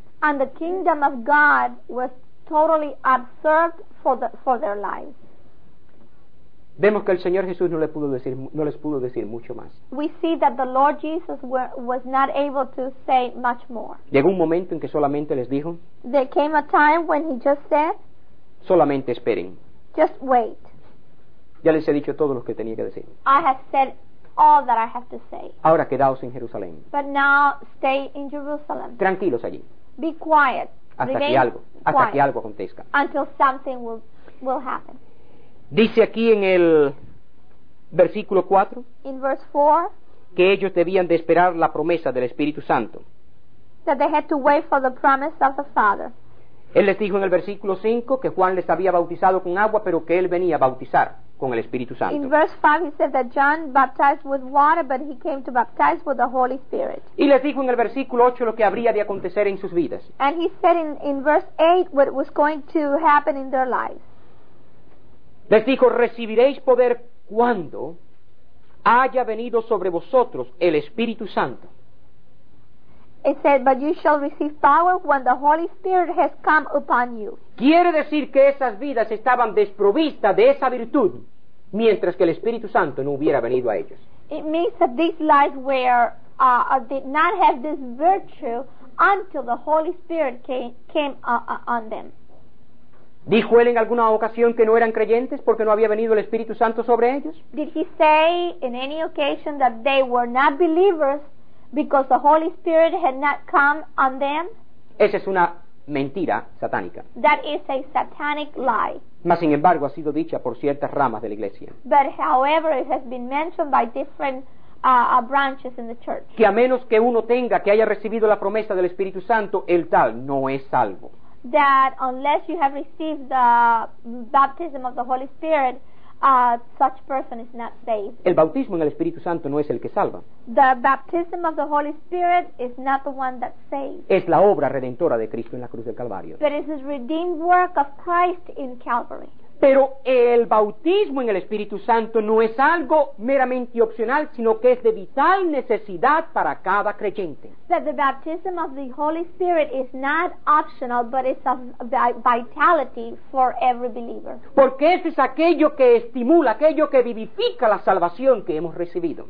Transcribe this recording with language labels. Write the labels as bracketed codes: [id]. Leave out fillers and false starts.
[en] And the kingdom of God was totally absurd for their lives. [es] Vemos que el Señor Jesús no les pudo decir mucho más. [en] We see that the Lord Jesus was not able to say much more. [es] Llegó un momento en que solamente les dijo. [en] There came a time when he just said. [es] Solamente esperen. [en] Just wait. [es] Ya les he dicho todo lo que tenía que decir. [en] I have said all that I have to say. [es] Ahora quedaos en Jerusalén. [en] But now stay in Jerusalem. [es] Tranquilos allí. [en] Be quiet. [es] Hasta que algo acontezca. [en] Until something will happen. [es] Dice aquí en el versículo 4, [en] in verse 4, [es] que ellos debían de esperar la promesa del Espíritu Santo. [en] That they had to wait for the promise of the Father. [es] Él les dijo en el versículo 5 que Juan les había bautizado con agua, pero que él venía a bautizar con el Espíritu Santo. [en] In verse 5 he said that John baptized with water, but he came to baptize with the Holy Spirit. [es] Y les dijo en el versículo 8 lo que habría de acontecer en sus vidas. [en] And he said in verse 8 what was going to happen in their lives. [es] Les dijo, recibiréis poder cuando haya venido sobre vosotros el Espíritu Santo. [en] It said, but you shall receive power when the Holy Spirit has come upon you. [es] Quiere decir que esas vidas estaban desprovistas de esa virtud mientras que el Espíritu Santo no hubiera venido a ellos. [en] It means that these lives were did not have this virtue until the Holy Spirit came on them. [es] ¿Dijo él en alguna ocasión que no eran creyentes porque no había venido el Espíritu Santo sobre ellos? [en] Did he say in any occasion that they were not believers because the Holy Spirit had not come on them? [es] Esa es una mentira satánica. [en] That is a satanic lie. [es] Mas sin embargo ha sido dicha por ciertas ramas de la iglesia. [en] But however it has been mentioned by different branches in the church. [es] Que a menos que uno tenga, que haya recibido la promesa del Espíritu Santo, el tal no es salvo. [en] That unless you have received the baptism of the Holy Spirit, such person is not saved. [es] El bautismo en el Espíritu Santo no es el que salva. [en] The baptism of the Holy Spirit is not the one that saves. [es] Es la obra redentora de Cristo en la cruz del Calvario. [en] But it is the redeemed work of Christ in Calvary. [es] Pero el bautismo en el Espíritu Santo no es algo meramente opcional, sino que es de vital necesidad para cada creyente. [en] That the baptism of the Holy Spirit is not optional, but it's of vitality for every believer. [es] Porque eso es aquello que estimula, aquello que vivifica la salvación que hemos recibido.